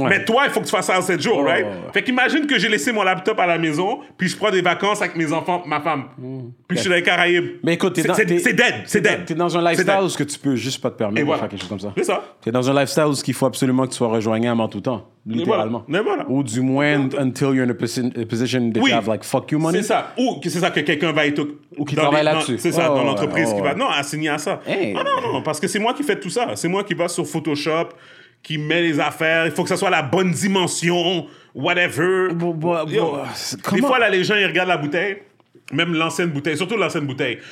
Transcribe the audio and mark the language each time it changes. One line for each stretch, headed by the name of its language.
French: Mais toi, il faut que tu fasses ça en 7 jours, right? Fait qu'imagine que j'ai laissé mon laptop à la maison, puis je prends des vacances avec mes enfants, ma femme. Puis je suis dans les Caraïbes. Mais écoute, c'est dead. T'es dans un lifestyle où tu peux juste pas te permettre de faire quelque chose comme ça. C'est ça. T'es dans un lifestyle où il faut absolument que tu sois rejoignable en tout temps, littéralement. Mais voilà. Ou du moins,
English: until you're in a position that you have, like, fuck you money.
French: C'est ça. Ou c'est ça que quelqu'un va être... Ou qui travaille là-dessus. C'est ça, dans l'entreprise qui va... Non, assigné à ça. Non, parce que c'est moi qui fais tout ça. C'est moi qui va sur Photoshop, qui met les affaires. Il faut que ça soit la bonne dimension, whatever. Des fois, là, les gens, ils regardent la bouteille, même l'ancienne bouteille, surtout l'ancienne bouteille.